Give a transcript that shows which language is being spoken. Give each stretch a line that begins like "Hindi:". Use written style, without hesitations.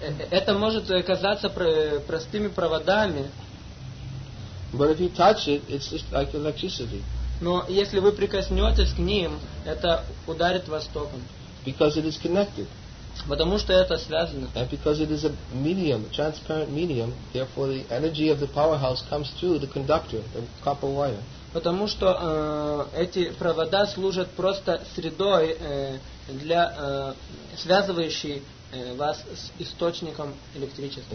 Russian: Это может казаться простыми проводами.
English: But if you touch it, it's just like electricity.
Russian: Но если вы прикоснетесь к ним, это ударит вас током.
English: Because it is connected.
Russian: Потому что это связано.
English: And because it is a medium, a transparent medium, therefore the energy of the powerhouse comes through the conductor, the copper wire.
Russian: Потому что эти провода служат просто средой для связывающей вас с источником электричества.